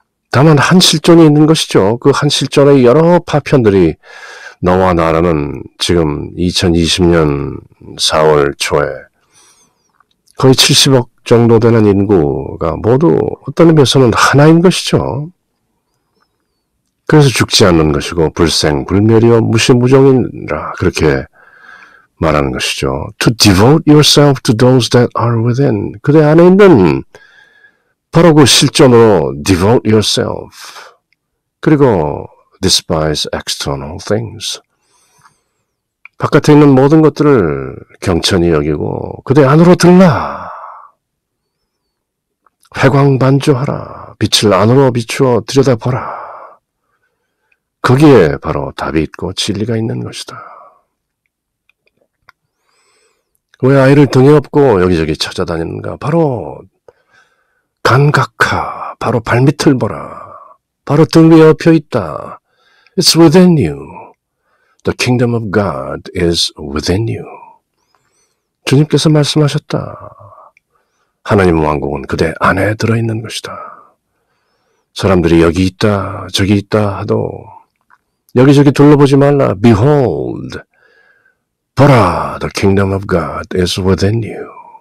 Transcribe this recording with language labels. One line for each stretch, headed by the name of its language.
Korean: 다만 한 실존이 있는 것이죠. 그 한 실존의 여러 파편들이 너와 나라는 지금 2020년 4월 초에 거의 70억 정도 되는 인구가 모두 어떤 의미에서는 하나인 것이죠. 그래서 죽지 않는 것이고 불생, 불멸이요 무시무종이라 그렇게 말하는 것이죠.
English: To devote yourself to those that are within.
Korean: 그대 안에 있는 바로 그 실존으로
English: devote yourself.
Korean: 그리고
English: despise external things.
Korean: 바깥에 있는 모든 것들을 경천히 여기고 그대 안으로 들라. 회광반주하라. 빛을 안으로 비추어 들여다보라. 거기에 바로 답이 있고 진리가 있는 것이다. 왜 아이를 등에 업고 여기저기 찾아다니는가? 바로 감각하, 바로 발밑을 보라. 바로 등 위에 엎여있다.
English: It's within you. The kingdom of God is within you.
Korean: 주님께서 말씀하셨다. 하나님 왕국은 그대 안에 들어있는 것이다. 사람들이 여기 있다, 저기 있다 하도 여기저기 둘러보지 말라.
English: Behold,
Korean: 보라,
English: the kingdom of God is within you.